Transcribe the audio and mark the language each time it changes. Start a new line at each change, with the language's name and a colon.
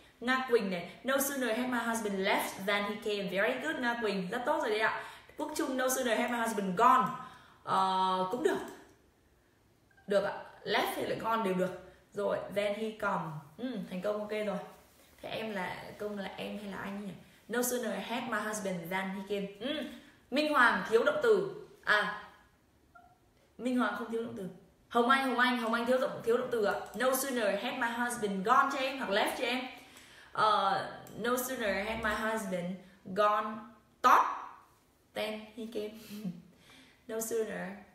English: Nga Quỳnh này, no sooner had my husband left than he came. Very good Nga Quỳnh,
Vietnamese: rất tốt rồi đấy ạ.
English: Quốc Trung, no sooner had my husband gone.
Vietnamese: Cũng được. Được ạ, left hay là gone đều được. Rồi,
English: then he come.
Vietnamese: Thành Công ok rồi. Thế em là, Công là em hay là anh nhỉ?
English: No sooner had my husband than he came.
Vietnamese: Minh Hoàng thiếu động từ. À, Minh Hoàng không thiếu động từ. Hồng Anh thiếu động từ ạ.
English: No sooner had my husband gone
Vietnamese: cho em, hoặc left cho em.
English: No sooner had my husband gone top. Then he came. No sooner.